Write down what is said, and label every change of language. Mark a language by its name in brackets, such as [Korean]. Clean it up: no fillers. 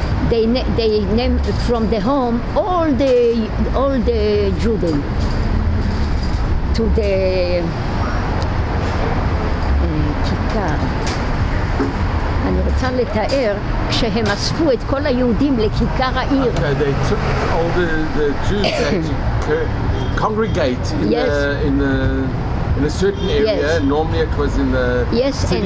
[English] They name from the home all the Jews to the kikar. [Hebrew] אני רוצה לתאר כשהם אספו את כל היהודים לכיכר העיר. [English] Okay, they took all the Jews to congregate in a certain area. Yes. Normally it was in the city